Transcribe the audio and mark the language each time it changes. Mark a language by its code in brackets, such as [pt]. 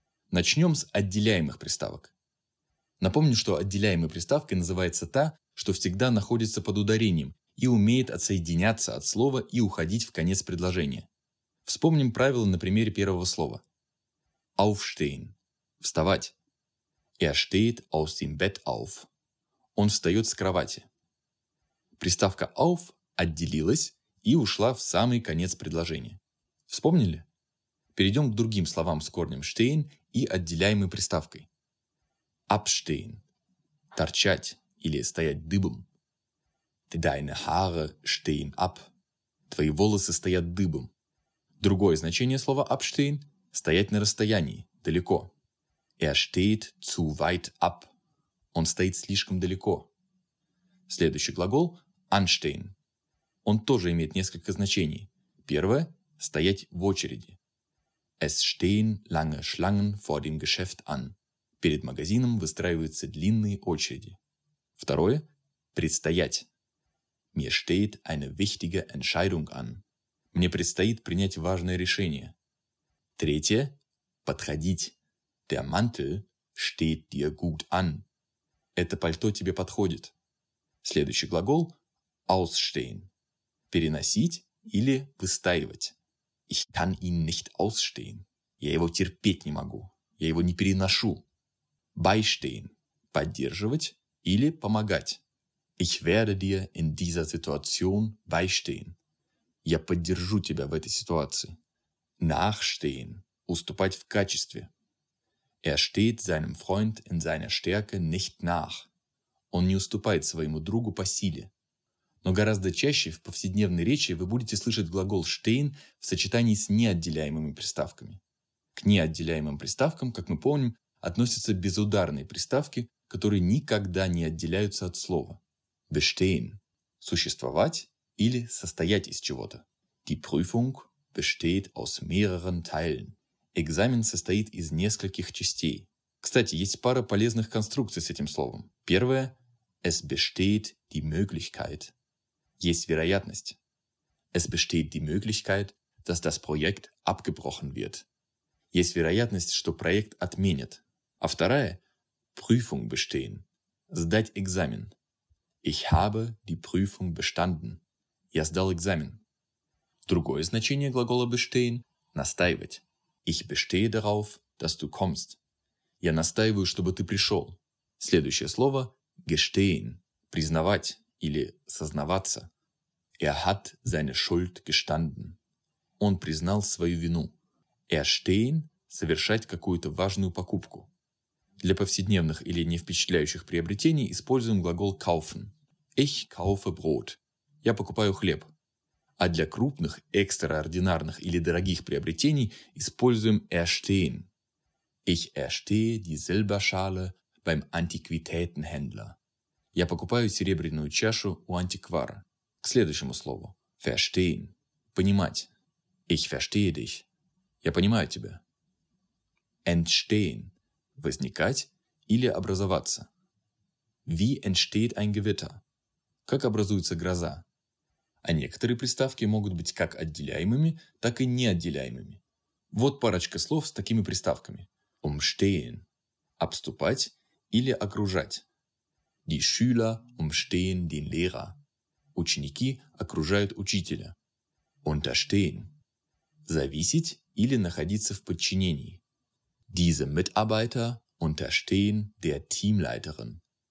[ru] Начнем с отделяемых приставок. Напомню, что отделяемой приставкой называется та, что всегда находится под ударением и умеет отсоединяться от слова и уходить в конец предложения. Вспомним правила на примере первого слова. Aufstehen – вставать. [de] Er steht aus dem Bett auf. [ru] Он встает с кровати. Приставка auf отделилась и ушла в самый конец предложения. Вспомнили? Перейдем к другим словам с корнем stehen и отделяемой приставкой. Abstehen – торчать или стоять дыбом. [de] Deine Haare stehen ab. [ru] Твои волосы стоят дыбом. Другое значение слова abstehen – стоять на расстоянии, далеко. [de] Er steht zu weit ab. [ru] Он стоит слишком далеко. Следующий глагол – anstehen. Он тоже имеет несколько значений. Первое – стоять в очереди. [de] Es stehen lange Schlangen vor dem Geschäft an. [ru] Перед магазином выстраиваются длинные очереди. Второе – предстоять. [de] Mir steht eine wichtige Entscheidung an. [ru] Мне предстоит принять важное решение. Третье – подходить. [de] Der Mantel steht dir gut an. [ru] Это пальто тебе подходит. Следующий глагол – ausstehen. Переносить или выстаивать. [de] Ich kann ihn nicht ausstehen. [ru] Я его терпеть не могу. Я его не переношу. Beistehen – поддерживать или помогать. [de] Ich werde dir in dieser Situation beistehen. [ru] Я поддержу тебя в этой ситуации. Nachstehen – уступать в качестве. [de] Er steht seinem Freund in seiner Stärke nicht nach. [ru] Он не уступает своему другу по силе. Но гораздо чаще в повседневной речи вы будете слышать глагол stehen в сочетании с неотделяемыми приставками. К неотделяемым приставкам, как мы помним, относятся безударные приставки, которые никогда не отделяются от слова. Bestehen – существовать или состоять из чего-то. [de] Die Prüfung besteht aus mehreren Teilen. [ru] Экзамен состоит из нескольких частей. Кстати, есть пара полезных конструкций с этим словом. Первое – [de] es besteht die Möglichkeit. [ru] Есть вероятность. [de] Es besteht die Möglichkeit, dass das Projekt abgebrochen wird. [ru] Есть вероятность, что проект отменят. А вторая – [de] Prüfung bestehen. [ru] Сдать экзамен. [de] Ich habe die Prüfung bestanden. [ru] Я сдал экзамен. Другое значение глагола bestehen – настаивать. [de] Ich bestehe darauf, dass du kommst. [ru] Я настаиваю, чтобы ты пришел. Следующее слово – gestehen – признавать или сознаваться. [de] Er hat seine Schuld gestanden. [ru] Он признал свою вину. Erstehen – совершать какую-то важную покупку. Для повседневных или не впечатляющих приобретений используем глагол kaufen. [de] Ich kaufe Brot. [ru] Я покупаю хлеб. А для крупных, экстраординарных или дорогих приобретений используем erstehen. [de] Ich erstehe die Silberschale beim Antiquitätenhändler. [ru] Я покупаю серебряную чашу у антиквара. К следующему слову. Verstehen. Понимать. [de] Ich verstehe dich. [ru] Я понимаю тебя. Entstehen. Возникать или образоваться. [de] Wie entsteht ein Gewitter? [ru] Как образуется гроза? А некоторые приставки могут быть как отделяемыми, так и неотделяемыми. Вот парочка слов с такими приставками. Umstehen – обступать или окружать. [de] Die Schüler umstehen den Lehrer. [ru] Ученики окружают учителя. Unterstehen – зависеть или находиться в подчинении. [de] Diese Mitarbeiter unterstehen der Teamleiterin.